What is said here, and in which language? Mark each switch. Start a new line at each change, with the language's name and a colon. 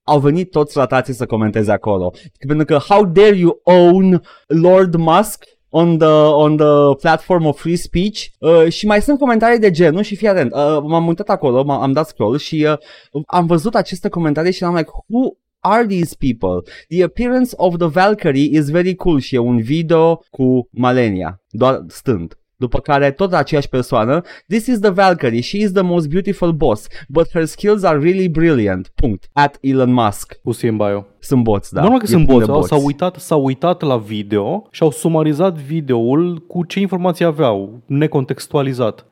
Romanian: Au venit toți ratații să comenteze acolo. Pentru că
English: how dare you own Lord Musk on the platform of free speech.
Romanian: Și mai sunt comentarii de genul și fii atent. M-am uitat acolo, am dat scroll și am văzut aceste comentarii și am like,
English: who are these people? The appearance of the Valkyrie is very cool.
Romanian: Și e un video cu Malenia, doar stând. După care tot aceeași persoană,
English: this is the Valkyrie, she is the most beautiful boss, but her skills are really brilliant.
Romanian: Punct.
English: At Elon Musk.
Romanian: Pus-i în bio. Sunt boți, da. Normal că sunt boți. S-au uitat la video și au sumarizat videoul cu ce informații aveau, necontextualizat.